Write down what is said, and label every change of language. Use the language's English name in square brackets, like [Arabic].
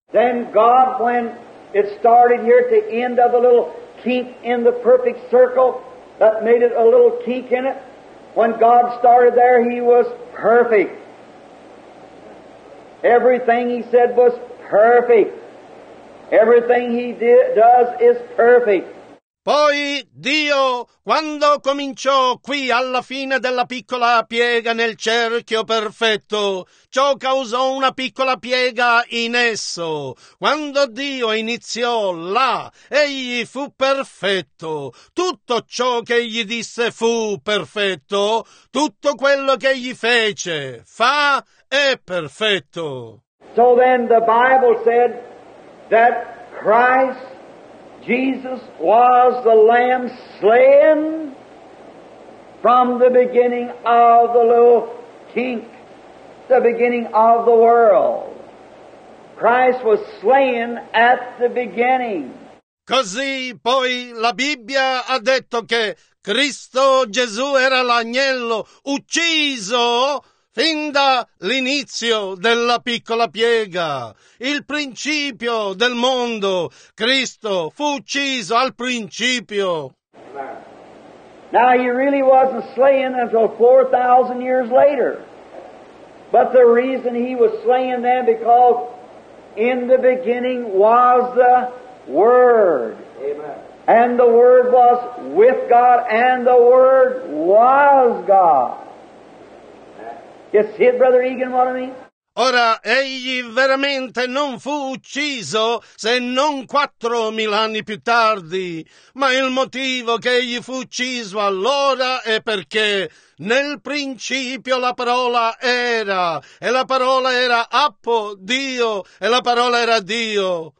[English] Then God, when it started here at the end of a little kink in the perfect circle that made it a little kink in it, when God started there, he was perfect. Everything he said was perfect. Everything he does is perfect. [Italian] Poi Dio, quando cominciò qui alla fine della piccola piega nel cerchio perfetto, ciò causò una piccola piega in esso. Quando Dio iniziò là, egli fu perfetto. Tutto ciò che egli disse fu perfetto. Tutto quello che egli fece, fa, è perfetto. [English] So then the Bible said that Christ Jesus was the Lamb slain from the beginning of the little kink, the beginning of the world. Christ was slain at the beginning. [Italian] Così poi la Bibbia ha detto che Cristo Gesù era l'agnello ucciso fin dall'inizio della piccola piega, il principio del mondo, Cristo fu ucciso al principio. [English] Now he really wasn't slain until 4,000 years later. But the reason he was slain then because in the beginning was the Word. Amen. And the Word was with God and the Word was God. Yes, see it, Brother Egan, what I mean? [Italian] Ora, egli veramente non fu ucciso se non 4,000 anni più tardi, ma il motivo che egli fu ucciso allora è perché nel principio la parola era, e la parola era appo Dio, e la parola era Dio.